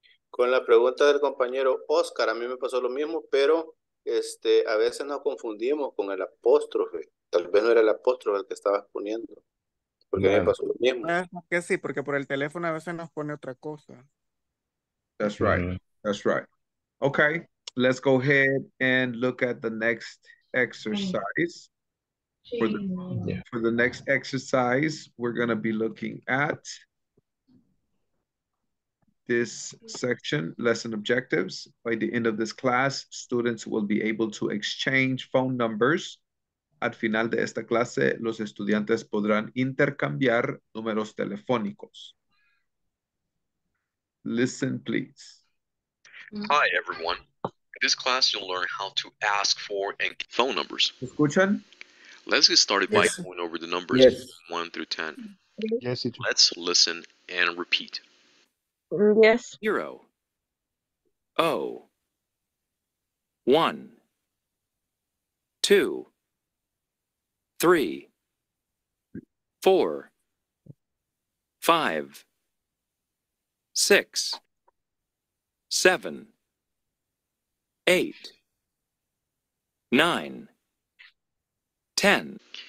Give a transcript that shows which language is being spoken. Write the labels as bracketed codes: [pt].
[es] Con la pregunta del compañero Oscar, a mí me pasó lo mismo, pero... a veces nos confundimos con el apóstrofe. Tal vez no era el apóstrofe el que estabas poniendo. Porque me pasó lo mismo. Que sí, porque por el teléfono a veces nos pone otra cosa. [en] That's right. Mm-hmm. That's right. Okay, let's go ahead and look at the next exercise. For the next exercise, we're going to be looking at this section, lesson objectives. By the end of this class, students will be able to exchange phone numbers. [es] Al final de esta clase, los estudiantes podrán intercambiar números telefónicos. [en] Listen, please. Hi, everyone. In this class, you'll learn how to ask for and get phone numbers. [es] ¿Escuchan? [en] Let's get started by going over the numbers 1 through 10. Yes, let's listen and repeat. Yes. 0. O. 1. 2. 3. 4. 5. 6. 7. 8. 9. 10.